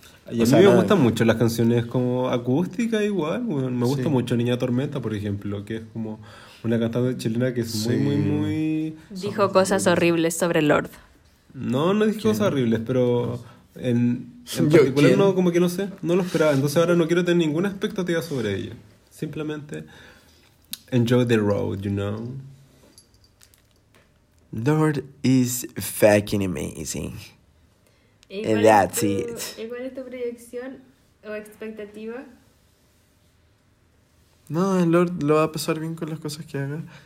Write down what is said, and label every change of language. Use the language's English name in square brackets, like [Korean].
[Spanish] Y a mí me gustan mucho las canciones como acústica igual, bueno, me gusta mucho Niña Tormenta, por ejemplo, que es como una cantante chilena que es muy... Dijo cosas horribles sobre Lord. No dijo cosas horribles, pero en particular, como que no sé, no lo esperaba, entonces ahora no quiero tener ninguna expectativa sobre ella, simplemente... [English] Enjoy the road, you know? Lord is fucking amazing. And that's it. [Spanish] ¿Y cuál es tu proyección o expectativa? No, el Lord lo va a pasar bien con las cosas que haga.